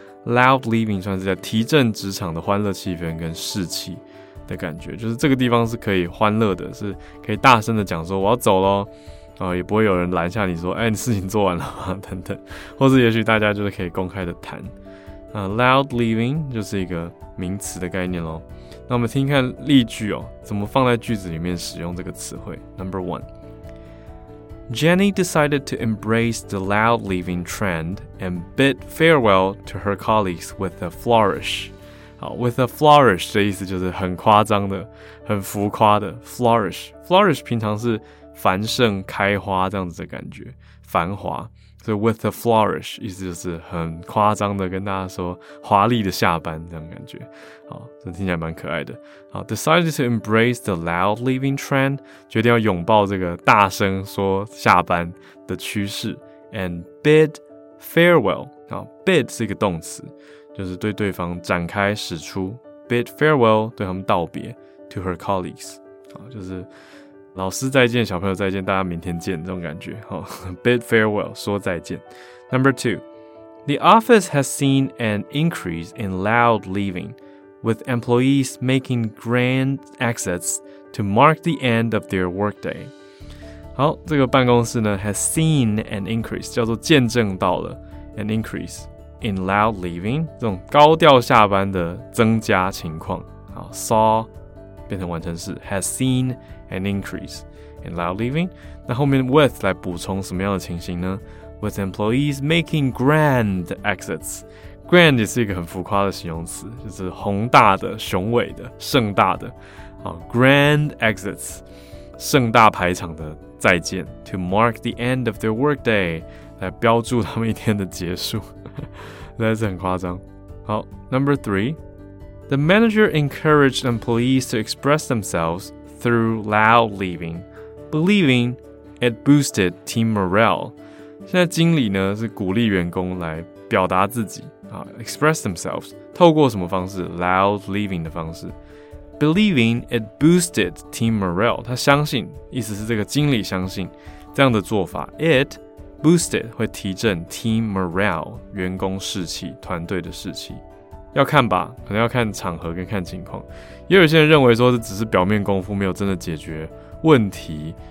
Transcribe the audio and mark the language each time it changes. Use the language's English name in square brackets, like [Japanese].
[Chinese] Loud leaving 算是在提振职场的欢乐气氛跟士气的感觉，就是这个地方是可以欢乐的，是可以大声的讲说我要走咯，也不会有人拦下你说哎，你事情做完了吗等等，或是也许大家就是可以公开的谈。 Loud leaving 就是一个名词的概念咯。那我们听看例句哦，怎么放在句子里面使用这个词汇。 [English] Number one，Jenny decided to embrace the loud leaving trend and bid farewell to her colleagues with a flourish. [Chinese] 好 ， [English] with a flourish [Chinese] 的意思就是很夸张的、很浮夸的 flourish。 flourish 平常是繁盛、开花这样子的感觉，繁华。所以 [English] with a flourish [Chinese] 意思就是很夸张的跟大家说华丽的下班这样的感觉。好，这听起来蛮可爱的。好 ， [English] decided to embrace the loud leaving trend， [Chinese] 决定要拥抱这个大声说下班的趋势。 [English] And bid farewell， [Chinese] 好 ，bid 是一个动词，就是对对方展开使出。 bid farewell 对他们道别 ， [English] to her colleagues， [Chinese] 好，就是老师再见，小朋友再见，大家明天见这种感觉。好 ， [English] bid farewell [Chinese] 说再见。 [English] Number two， the office has seen an increase in loud leaving。 With employees making grand exits to mark the end of their workday. [Chinese] 好，这个办公室呢 [English] has seen an increase， [Chinese] 叫做见证到了 [English] an increase in loud leaving， [Chinese] 这种高调下班的增加情况。 [English] 好 ，saw [Chinese] 变成完成式 [English] has seen an increase in loud leaving。 [Chinese] 那后面 with 来补充什么样的情形呢 ？ [English] With employees making grand exits。 [Chinese] Grand 也是一个很浮夸的形容词，就是宏大的、雄伟的、盛大的。好 ， [English] Grand exits， [Chinese] 盛大排场的再见 ， [English] to mark the end of their workday， [Chinese] 来标注他们一天的结束，实在是很夸张。 [English] 好 ，Number three，the manager encouraged employees to express themselves through loud leaving， believing it boosted team morale。 [Chinese] 现在经理呢是鼓励员工来表达自己。 [English] Express themselves [Chinese] 透过什么方式 [English] ？Loud leaving [Chinese] 的方式 [English] ，believing it boosted team morale。 [Chinese] 他相信，意思是这个经理相信这样的做法 ， [English] it boosted [Chinese] 会提振 [English] team morale [Chinese] 员工士气、团队的士气。要看吧，可能要看场合跟看情况。也有些人认为说，这只是表面功夫，没有真的解决问题，